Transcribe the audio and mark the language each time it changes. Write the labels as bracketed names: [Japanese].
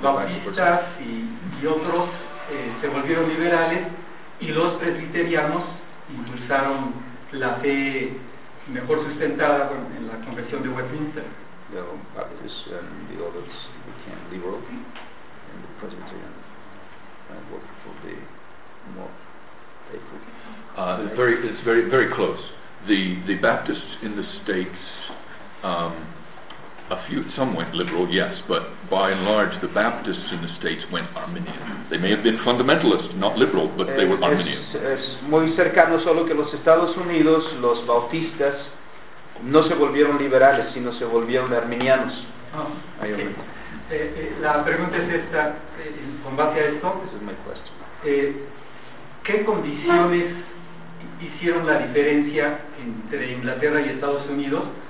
[Spanish] bautistas y otros se volvieron liberales y los presbiterianos impulsaron la fe mejor sustentada en la Convención de Westminster. [English] The Baptists and the others became liberal, and the Presbyterians worked for the more faithful. It's very, very close. The Baptists in the States. Some went liberal, yes, but by and large the Baptists in the States went Arminian. They may have been fundamentalist, not liberal, but they were Arminian. [Spanish] Es muy cercano, solo que los Estados Unidos, los bautistas, no se volvieron liberales, sino se volvieron arminianos. [English] Okay. [Spanish] La pregunta es esta, con base a esto. [English] This is my question. [Spanish] ¿Qué condiciones hicieron la diferencia entre Inglaterra y Estados Unidos?